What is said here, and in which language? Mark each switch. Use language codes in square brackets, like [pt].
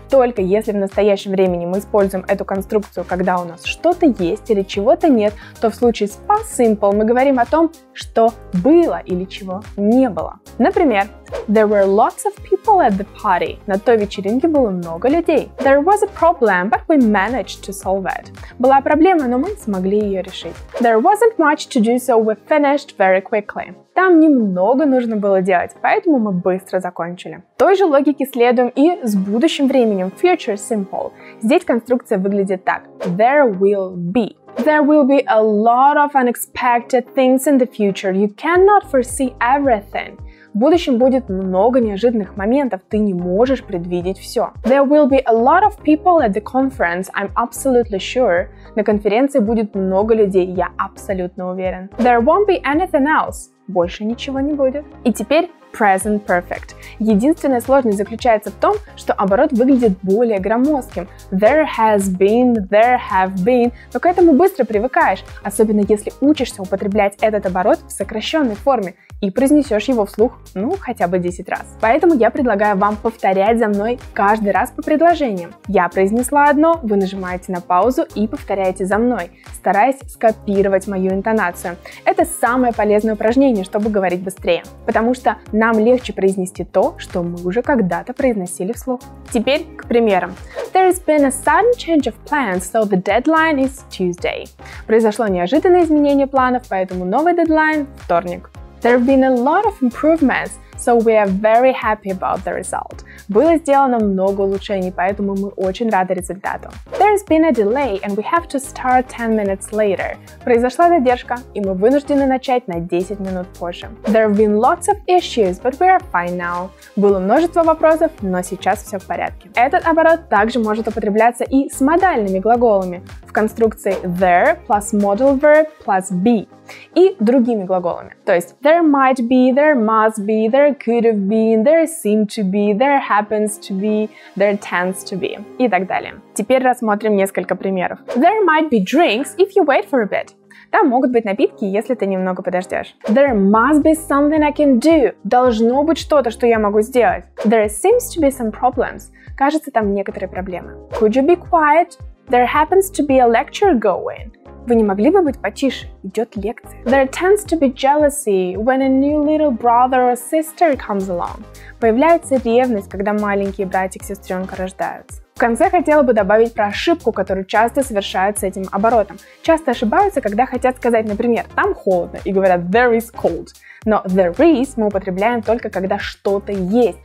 [ru] Только если в настоящем времени мы используем эту конструкцию, когда у нас что-то есть или чего-то нет, то в случае с past simple мы говорим о том, что было или чего не было. Например, [en] There were lots of people at the party. [ru] На той вечеринке было много людей. [en] There was a problem, but we managed to solve it. [ru] Была проблема, но мы смогли ее решить. [en] There wasn't much to do, so we finished very quickly. [ru] Там немного нужно было делать, поэтому мы быстро закончили. Той же логике следуем и с будущим временем, future simple. Здесь конструкция выглядит так. [en] There will be. There will be a lot of unexpected things in the future. You cannot foresee everything. [ru] В будущем будет много неожиданных моментов, ты не можешь предвидеть все. [en] There will be a lot of people at the conference, I'm absolutely sure. [ru] На конференции будет много людей, я абсолютно уверен. [en] There won't be anything else. [ru] Больше ничего не будет. И теперь present perfect. Единственная сложность заключается в том, что оборот выглядит более громоздким. [en] There has been, there have been. [ru] Но к этому быстро привыкаешь, особенно если учишься употреблять этот оборот в сокращенной форме, и произнесешь его вслух, ну, хотя бы 10 раз. Поэтому я предлагаю вам повторять за мной каждый раз по предложениям. Я произнесла одно, вы нажимаете на паузу и повторяете за мной, стараясь скопировать мою интонацию. Это самое полезное упражнение, чтобы говорить быстрее, потому что нам легче произнести то, что мы уже когда-то произносили вслух. Теперь к примерам. [en] There has been a sudden change of plans, so the deadline is Tuesday. [ru] Произошло неожиданное изменение планов, поэтому новый дедлайн – вторник. [en] There have been a lot of improvements, so we are very happy about the result. [ru] Было сделано много улучшений, поэтому мы очень рады результату. [en] There has been a delay and we have to start 10 minutes later. [ru] Произошла задержка, и мы вынуждены начать на 10 минут позже. [en] There have been lots of issues, but we are fine now. [ru] Было множество вопросов, но сейчас все в порядке. Этот оборот также может употребляться и с модальными глаголами в конструкции [en] there plus modal verb plus be [ru] и другими глаголами. То есть [en] there might be, there must be, there could have been, there seemed to be, there happens to be, there tends to be [ru] и так далее. Теперь рассмотрим несколько примеров. [en] There might be drinks if you wait for a bit. [ru] Там могут быть напитки, если ты немного подождешь. [en] There must be something I can do. [ru] Должно быть что-то, что я могу сделать. [en] There seems to be some problems. [ru] Кажется, там некоторые проблемы. [en] Could you be quiet? There happens to be a lecture going. [ru] Вы не могли бы быть потише? Идет лекция. [en] There tends to be jealousy when a new little brother or sister comes along. [ru] Появляется ревность, когда маленькие братик-сестренка рождаются. В конце хотела бы добавить про ошибку, которую часто совершают с этим оборотом. Часто ошибаются, когда хотят сказать, например, там холодно, и говорят [en] there is cold. [ru] Но there is мы употребляем только когда что-то есть.